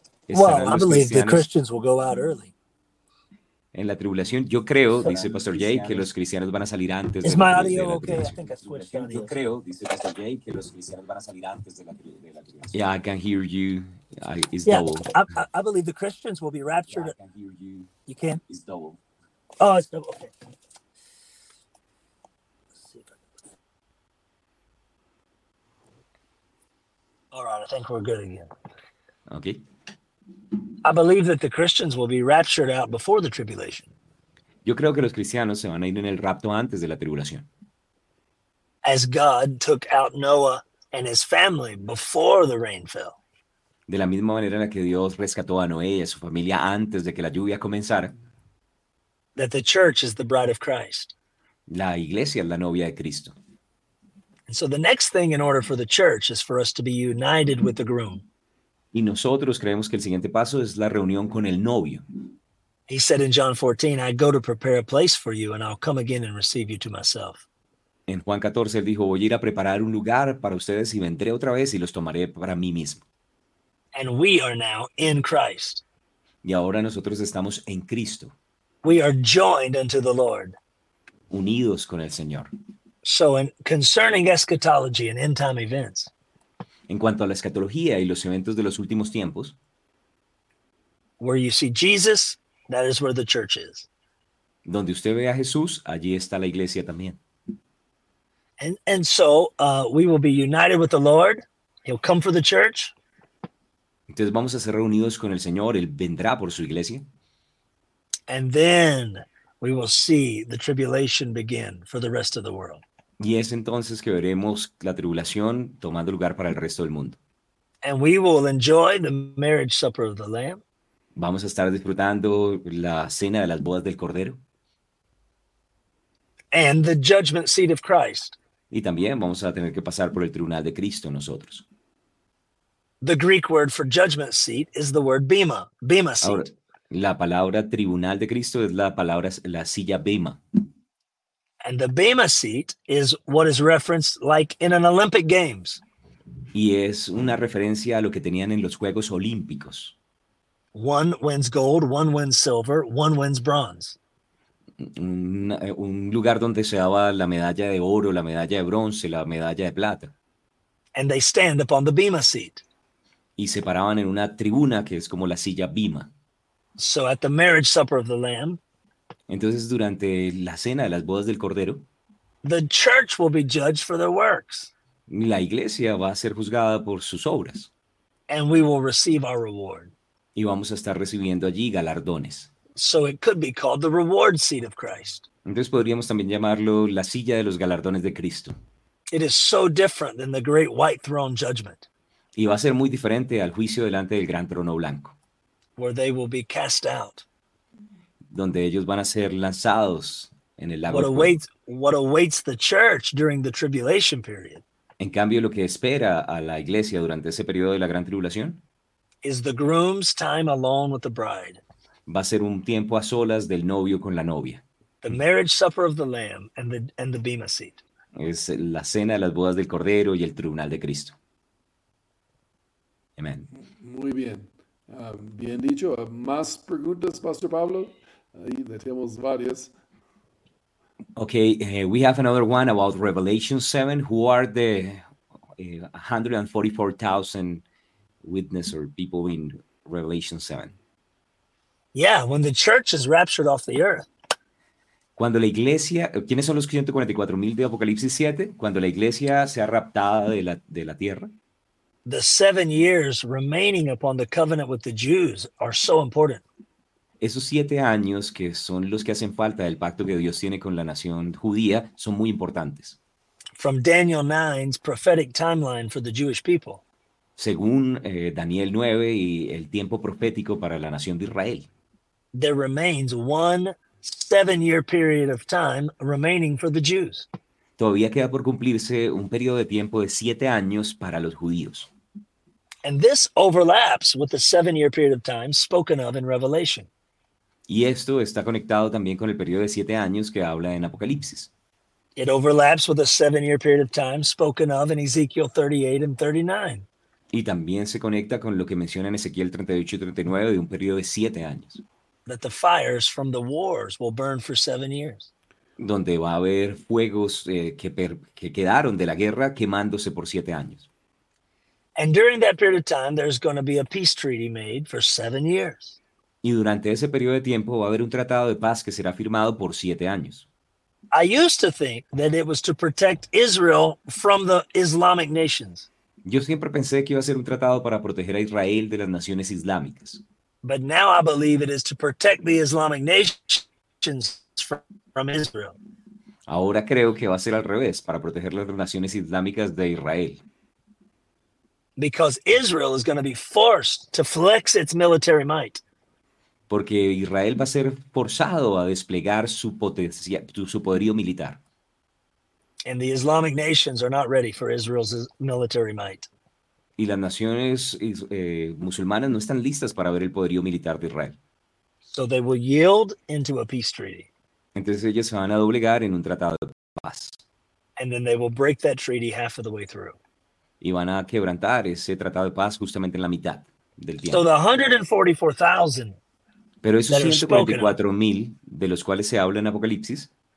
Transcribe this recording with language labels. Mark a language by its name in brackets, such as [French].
[English] Well, I believe the Christians will go out early. [Spanish] En la tribulación, yo creo, dice Pastor Jay, que los cristianos van a salir antes de la tribulación. [English] Yeah, I can hear you. It's double. I believe the Christians will be raptured. Yeah, I can hear you. You can? It's double. Oh, it's double. Okay. All right, I think we're good again. Okay. I believe that the Christians will be raptured out before the tribulation. [Spanish] Yo creo que los cristianos se van a ir en el rapto antes de la tribulación. [English] As God took out Noah and his family before the rain fell. [Spanish] De la misma manera en la que Dios rescató a Noé y a su familia antes de que la lluvia comenzara. [English] That the church is the bride of Christ. [Spanish] La iglesia es la novia de Cristo. [English] And so the next thing in order for the church is for us to be united with the groom. [Spanish] Y nosotros creemos que el siguiente paso es la reunión con el novio. [English] He said in John 14, I go to prepare a place for you and I'll come again and receive you to myself. [Spanish] En Juan 14, él dijo, voy a ir a preparar un lugar para ustedes y vendré otra vez y los tomaré para mí mismo. [English] And we are now in Christ. [Spanish] Y ahora nosotros estamos en Cristo. [English] We are joined unto the Lord. [Spanish] Unidos con el Señor. [English] So in concerning eschatology and end time events. [Spanish] En cuanto a la escatología y los eventos de los últimos tiempos, [English] where you see Jesus, that is where the church is. [Spanish] Donde usted ve a Jesús, allí está la iglesia también. [English] And so we will be united with the Lord. He'll come for the church. [Spanish] Entonces vamos a ser reunidos con el Señor. Él vendrá por su iglesia. [English] And then we will see the tribulation begin for the rest of the world. [Spanish] Y es entonces que veremos la tribulación tomando lugar para el resto del mundo. [English] And we will enjoy the marriage supper of the Lamb. [Spanish] Vamos a estar disfrutando la cena de las bodas del Cordero. [English] And the judgment seat of Christ. [Spanish] Y también vamos a tener que pasar por el tribunal de Cristo nosotros. [English] The Greek word for judgment seat is the word bema, bema seat. [Spanish] Ahora, la palabra tribunal de Cristo es la palabra, la silla bema. [English] And the Bema seat is what is referenced like in an Olympic Games. [Spanish] Y es una referencia a lo que tenían en los Juegos Olímpicos. [English] One wins gold, one wins silver, one wins bronze. [Spanish] Un lugar donde se daba la medalla de oro, la medalla de bronce, la medalla de plata. [English] And they stand upon the Bema seat. [Spanish] Y se paraban en una tribuna que es como la silla Bema. [English] So at the marriage supper of the Lamb, [Spanish] entonces, durante la cena de las bodas del Cordero, [English] the church will be judged for their works. [Spanish] La iglesia va a ser juzgada por sus obras. [English] And we will receive our reward. [Spanish] Y vamos a estar recibiendo allí galardones. [English] So it could be called the reward seat of Christ. [Spanish] Entonces, podríamos también llamarlo la silla de los galardones de Cristo. [English] It is so different than the great white throne judgment. [Spanish] Y va a ser muy diferente al juicio delante del gran trono blanco. [English] Where they will be cast out. [Spanish] Donde ellos van a ser lanzados en el lago. [English] What awaits the church during the tribulation period? [Spanish] En cambio, lo que espera a la iglesia durante ese periodo de la gran tribulación [English] is the groom's time alone with the bride. [Spanish] Va a ser un tiempo a solas del novio con la novia. [English] The marriage supper of the Lamb and the bema seat. [Spanish] Es la cena de las bodas del Cordero y el tribunal de Cristo. [English] Amen. [Spanish] Muy bien. Bien dicho. ¿Más preguntas, Pastor Pablo? Ahí tenemos varias. [English] Okay, we have another one about Revelation 7. Who are the 144,000 witness or people in Revelation 7? Yeah, when the church is raptured off the earth. [Spanish] Cuando la iglesia, ¿quiénes son los 144,000 de Apocalipsis 7? Cuando la iglesia se ha raptada de la tierra. [English] The 7 years remaining upon the covenant with the Jews are so important. [Spanish] Esos 7 años que son los que hacen falta del pacto que Dios tiene con la nación judía son muy importantes. [English] From Daniel 9's prophetic timeline for the Jewish people. [Spanish] Según Daniel 9 y el tiempo profético para la nación de Israel. [English] There remains 1 7-year period of time remaining for the Jews. [Spanish] Todavía queda por cumplirse un periodo de tiempo de 7 años para los judíos. [English] And this overlaps with the 7-year period of time spoken of in Revelation. [Spanish] Y esto está conectado también con el periodo de 7 años que habla en Apocalipsis. [English] It overlaps with a 7-year period of time spoken of in Ezekiel 38 and 39. [Spanish] Y también se conecta con lo que menciona en Ezequiel 38 y 39 de un periodo de 7 años. [English] That the fires from the wars will burn for 7 years. [Spanish] Donde va a haber fuegos que quedaron de la guerra quemándose por 7 años. [English] And during that period of time, there's going to be a peace treaty made for 7 years. [Spanish] Y durante ese periodo de tiempo va a haber un tratado de paz que será firmado por 7 años. [English] I used to think that it was to protect Israel from the Islamic nations. [Spanish] Yo siempre pensé que iba a ser un tratado para proteger a Israel de las naciones islámicas. [English] But now I believe it is to protect the Islamic nations from Israel. [Spanish] Ahora creo que va a ser al revés, para proteger las naciones islámicas de Israel. [English] Because Israel is going to be forced to flex its military might. [Spanish] Porque Israel va a ser forzado a desplegar su potencia, su poderío militar. [English] And the Islamic nations are not ready for Israel's military might. [Spanish] Y las naciones musulmanas no están listas para ver el poderío militar de Israel. [English] So they will yield into a peace treaty. [Spanish] Entonces ellos se van a doblegar en un tratado de paz. [English] And then they will break that treaty half of the way through. [Spanish] Y van a quebrantar ese tratado de paz justamente en la mitad del tiempo. [English] So the 144,000. [Spanish] Pero esos 144,000 de los cuales se habla en Apocalipsis